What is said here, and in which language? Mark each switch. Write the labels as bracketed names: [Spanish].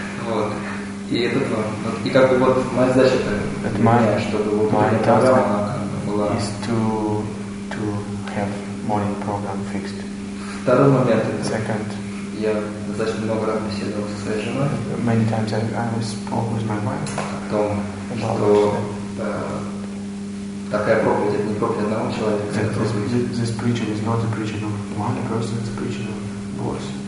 [English] But my task is to have morning program fixed. [Russian] Второй момент. [English] Second. [Russian] Я достаточно много раз беседовал со своей женой. [English] Many times I spoke with my wife. [Russian] О том, что такая проповедь это не проповедь одного человека. [English] This preaching is not a preaching of one person, it's a preaching of both.